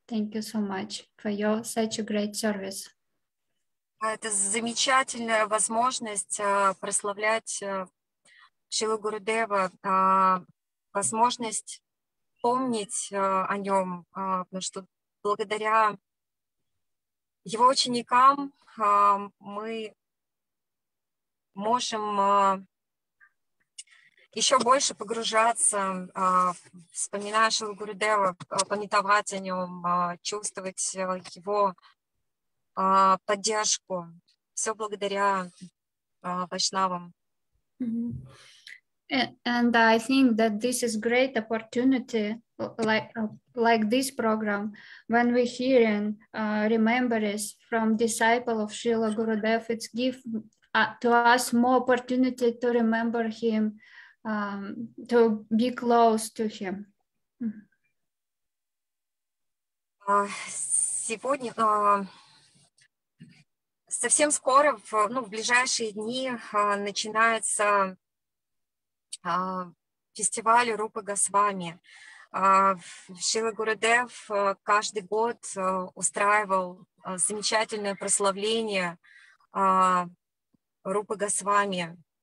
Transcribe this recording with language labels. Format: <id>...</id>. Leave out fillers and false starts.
<en>Thank you so much for your such a great service.</en> <ru>Это замечательная возможность прославлять Шрилу Гурудева, возможность помнить о нем, потому что благодаря его ученикам мы можем еще больше погружаться, вспоминая Шрилу Гурудева, памятовать о нем, чувствовать его поддержку. Все благодаря вайшнавам.</ru> <en>And I think that this is great opportunity, like this program, when we hear and remember this from disciple of Srila Gurudev, it's give to us more opportunity to remember him, to be close to him.</en> <ru>Сегодня, совсем скоро, в ближайшие дни начинается фестиваль Рупы Госвами. Шрила Гурудев каждый год устраивал замечательное прославление Рупы Госвами.</ru>